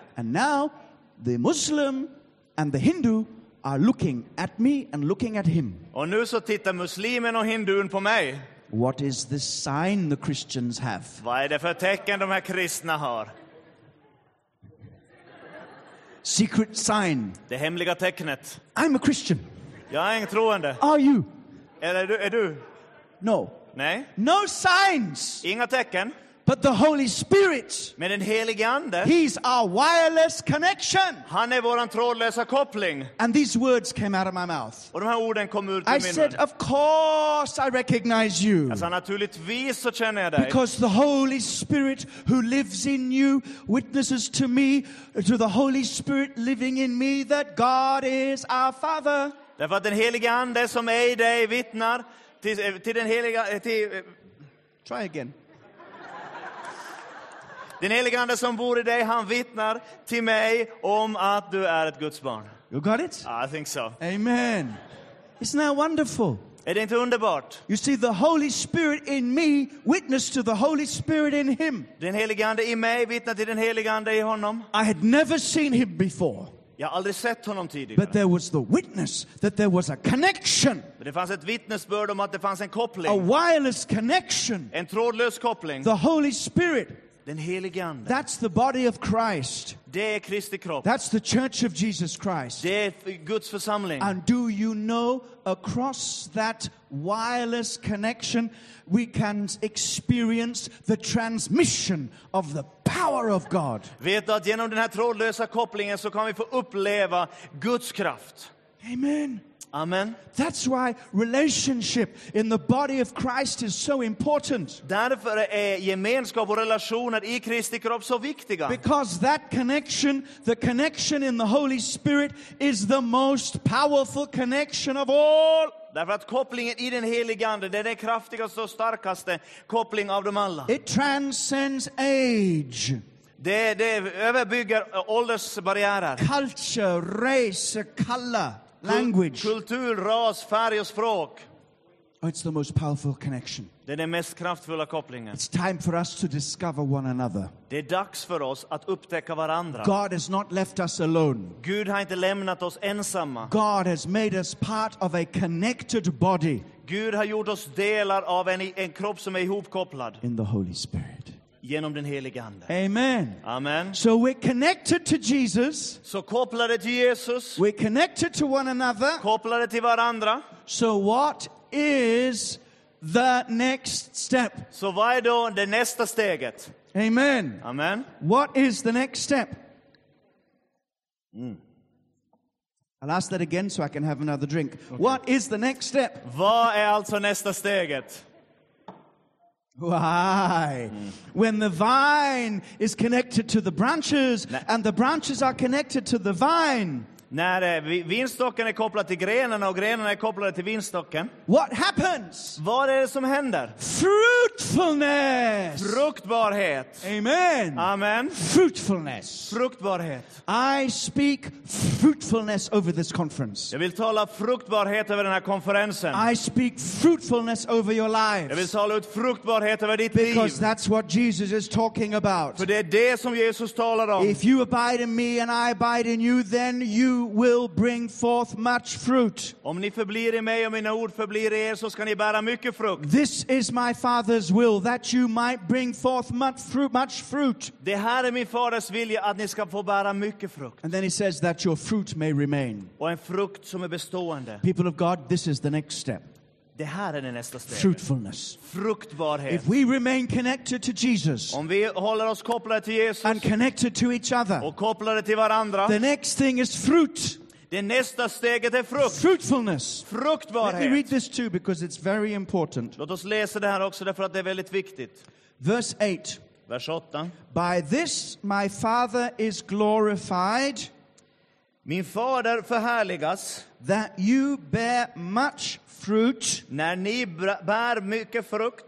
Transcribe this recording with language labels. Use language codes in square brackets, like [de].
[en] And now, the Muslim and the Hindu are looking at me and looking at him. [sv] Och nu så tittar muslimen och hindun på mig. [en] What is the sign the Christians have? [sv] Vad är det för tecken de här kristna har? [en] Secret sign. [sv] Det hemliga tecknet. [en] I'm a Christian. [sv] Jag är en troende. [en] Are you? [sv] Är du? [en] No. [sv] Nej. [en] No signs. [sv] Inga tecken. [en] But the Holy Spirit. [sv] Men den helige ande. [en] He's our wireless connection. [sv] Han är våran trådlösa koppling. [en] And these words came out of my mouth. [sv] Och de här orden kom ut ur min mun. [en] I said, of course I recognize you. [sv] Alltså naturligtvis så känner jag dig. [en] Because the Holy Spirit who lives in you witnesses to me, to the Holy Spirit living in me, that God is our Father. [sv] Därför att den helige ande som är i dig vittnar till den heliga till. [en] Try again. [sv] Den helige ande som bor i dig, han vittnar till mig om att du är ett Guds barn. [en] You got it? I think so. Amen. Isn't that wonderful? [sv] Är det inte underbart? [en] You see, the Holy Spirit in me witness to the Holy Spirit in him. [sv] Den helige ande i mig vittnar till den helige ande i honom. [en] I had never seen him before. [sv] Jag har aldrig sett honom tidigare. [en] But there was the witness that there was a connection. [sv] Men det fanns ett vittnesbörd om att det fanns en koppling. [en] A wireless connection. [sv] En trådlös koppling. [en] The Holy Spirit. [sv] Den helige ande. [en] That's the body of Christ. [sv] Det är Kristi kropp. [en] That's the church of Jesus Christ. [sv] Det är Guds församling. [en] And do you know, across that wireless connection, we can experience the transmission of the power. power of God. [sv] Vet du att genom den här trådlösa kopplingen så kan vi få uppleva Guds kraft. [en] Amen. [sv] Amen. [en] That's why relationship in the body of Christ is so important. [sv] Därför är gemenskap och relationer i Kristi kropp så viktiga. [en] Because that connection, the connection in the Holy Spirit, is the most powerful connection of all. [sv] Därför att kopplingen i den helige ande, den är kraftigaste och starkaste kopplingen av dem alla. [en] It transcends age. [sv] Det överbygger åldersbarriärer. [en] Culture, race, color. Language. [sv] Kultur, ras, färg och språk. [en] Oh, it's the most powerful connection. [sv] Det är den mest kraftfulla kopplingen. [en] It's time for us to discover one another. [sv] Det är dags för oss att upptäcka varandra. [en] God has not left us alone. [sv] Gud har inte lämnat oss ensamma. [en] God has made us part of a connected body. [sv] Gud har gjort oss delar av en kropp som är ihopkopplad. [en] In the Holy Spirit. [sv] Genom den helige ande. [en] Amen. [sv] Amen. [en] So we're connected to Jesus. [sv] Så kopplade till Jesus. [en] We're connected to one another. [sv] Kopplade till varandra. [en] So what is the next step? [sv] Så vad är då det nästa steget? [en] Amen. [sv] Amen. [en] What is the next step? I'll ask that again so I can have another drink. Okay. What is the next step? [sv] Vad är alltså nästa steget? [en] Why? When the vine is connected to the branches and the branches are connected to the vine. [sv] När vinstocken är kopplad till grenarna och grenarna är kopplade till vinstocken. [en] What happens? [sv] Vad är det som händer? [en] Fruitfulness. [sv] Fruktbarhet. [en] Amen. [sv] Amen. [en] Fruitfulness. [sv] Fruktbarhet. [en] I speak fruitfulness over this conference. [sv] Jag vill tala fruktbarhet över den här konferensen. [en] I speak fruitfulness over your lives. [sv] Jag vill tala ut fruktbarhet över ditt [en] Because Because that's what Jesus is talking about. [sv] För det är det som Jesus talar om. [en] If you abide in me and I abide in you, then you will bring forth much fruit. [sv] Om ni förblir i mig och mina ord förblir i er, så ska ni bära mycket frukt. [en] This is my Father's will, that you might bring forth much fruit. [sv] Det här är min faders vilja, att ni ska få bära mycket frukt. [en] And then he says that your fruit may remain. [sv] Och en frukt som är bestående. [en] People of God, this is the next step. [sv] Det här är det nästa steget. [en] Fruitfulness. [sv] Fruktbarhet. [en] If we remain connected to Jesus, [sv] om vi håller oss kopplade till Jesus, [en] and connected to each other, [sv] och kopplade till varandra, [en] the next thing is fruit. [sv] Det nästa steget är frukt. [en] Fruitfulness. [sv] Fruktbarhet. [en] Let me read this too because it's very important. [sv] Låt oss läsa det här också, därför att det är väldigt viktigt. [en] Verse 8. [sv] Vers 8. [en] By this my Father is glorified. [sv] Min fader förhärligas. [en] That you bear much fruit. [sv] När ni bär mycket frukt.